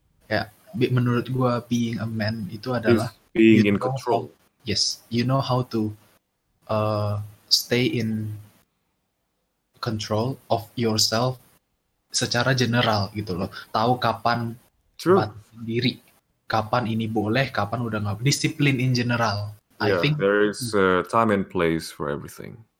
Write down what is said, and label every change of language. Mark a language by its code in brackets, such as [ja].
[id] Kayak menurut gua [en] being a man [id] itu adalah [en] it's being in control. Yes, you know how to stay in control of yourself [id] secara general gitu loh. Tahu kapan buat diri, kapan ini boleh, kapan udah nggak. [en] Discipline in general. Yeah, I think there is a time and place for everything.